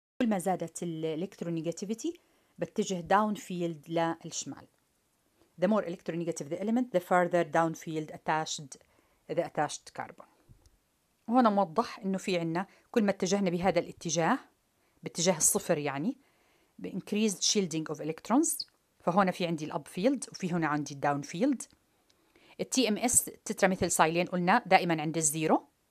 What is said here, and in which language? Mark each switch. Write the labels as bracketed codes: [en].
[ar] كل ما زادت الالكترونيجاتيفيتي بتجه داون فيلد للشمال. [en] The more electronegative the element, the further down field attached the attached carbon. [ar] وهنا موضح انه في عنا كل ما اتجهنا بهذا الاتجاه باتجاه الصفر يعني [en] increased shielding of electrons. [ar] فهنا في عندي الاب فيلد وفي هنا عندي الداون فيلد. التي ام اس تترا مثل سايلين قلنا دائما عند الزيرو.